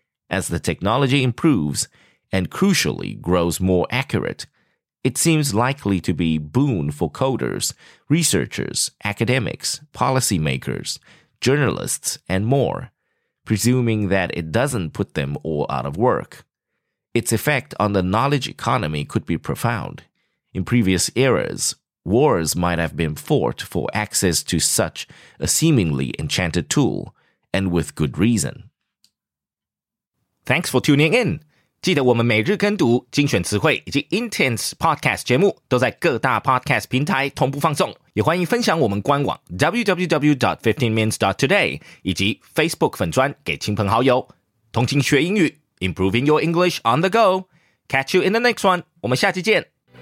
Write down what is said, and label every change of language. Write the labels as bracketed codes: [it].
[en] As the technology improves, and crucially grows more accurate, it seems likely to be a boon for coders, researchers, academics, policymakers, journalists, and more, presuming that it doesn't put them all out of work. Its effect on the knowledge economy could be profound. In previous eras,Wars might have been fought for access to such a seemingly enchanted tool, and with good reason. Thanks for tuning in. [zh] 记得我们每日跟读精选词汇以及 Intense Podcast 节目都在各大 Podcast 平台同步放送。也欢迎分享我们官网 www.15mins.today 以及 Facebook 粉专给亲朋好友。同情学英语 [en] ，Improving your English on the go. Catch you in the next one. [zh] 我们下期见。